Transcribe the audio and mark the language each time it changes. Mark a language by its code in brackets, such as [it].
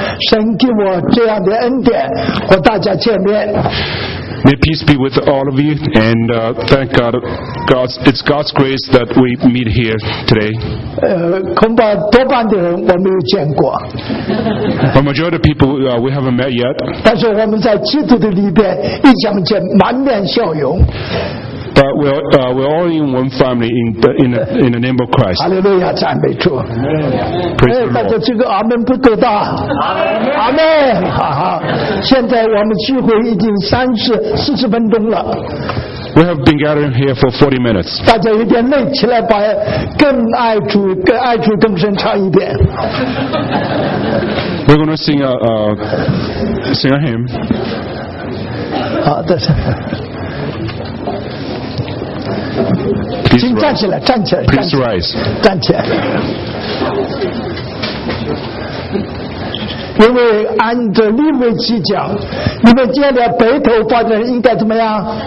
[zh] 神给我这样的恩典，和大家见面。 [en] May peace be with all of you, and thank God, it's God's grace that we meet here today. [zh] 恐怕多半的人我没有见过。 [en] A majority of people we haven't met yet. [zh] 但是我们在基督的里边一相见，满面笑容。 [en] But we're all in one family in the name of Christ. [zh] Hallelujah, 赞美主。 [en] Praise the Lord. [zh] 但是这个阿门不够大。阿门。现在我们聚会已经40分钟了。 [en] We have been gathering here for 40 minutes. [zh] 大家有点累，起来把更爱主、更爱主更深唱一遍。 [en] We're going to sing a hymn. [zh] 好的。请站起来，站起来，站起来，站起来。因为按照利未记讲，你们见了白头发的人应该怎么样？